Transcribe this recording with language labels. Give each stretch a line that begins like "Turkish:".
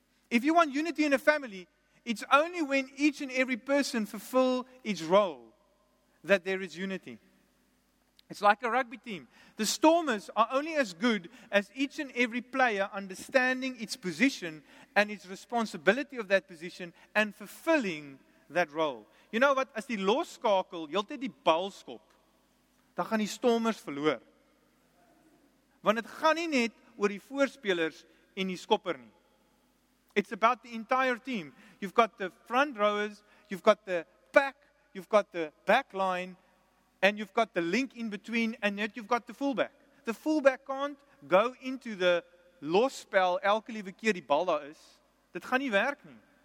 English: If you want unity in a family, it's only when each and every person fulfill its role that there is unity. It's like a rugby team. The Stormers are only as good as each and every player understanding its position and its responsibility of that position and fulfilling that role. You know what?
Afrikaans: As die losskakel, jy altyd die bal skop, dan gaan die Stormers verloor. Want het gaan nie net oor die voorspelers en die skopper nie.
English: It's about the entire team. You've got the front rowers, you've got the back, you've got the back line, and you've got the link in between, and yet you've got the fullback. The fullback can't go into the losspel
Afrikaans: elke liewe keer die bal daar is. Dit gaan nie werk nie.